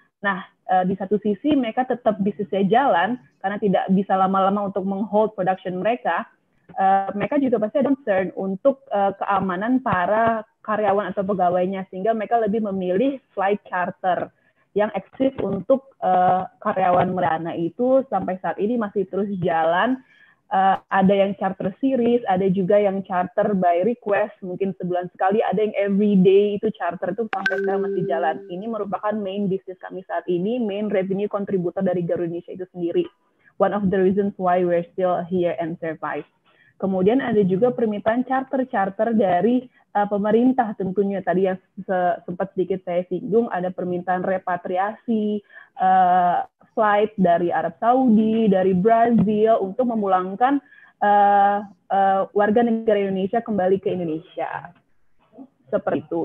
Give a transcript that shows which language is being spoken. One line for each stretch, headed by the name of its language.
Indonesian: Nah, di satu sisi mereka tetap bisnisnya jalan, karena tidak bisa lama-lama untuk menghold production mereka, mereka juga pasti ada concern untuk keamanan para karyawan atau pegawainya, sehingga mereka lebih memilih flight charter yang eksis untuk karyawan merana itu sampai saat ini masih terus jalan. Ada yang charter series, ada juga yang charter by request, mungkin sebulan sekali, ada yang everyday itu charter itu sampai sekarang masih jalan. Ini merupakan main business kami saat ini,
English: main revenue contributor
Indonesian: dari Garuda Indonesia itu sendiri.
English: One of the reasons why we're still here and survive.
Indonesian: Kemudian ada juga permintaan charter-charter dari pemerintah tentunya. Tadi yang sempat sedikit saya singgung, ada permintaan repatriasi flight dari Arab Saudi, dari Brazil, untuk memulangkan warga negara Indonesia kembali ke Indonesia. Seperti itu.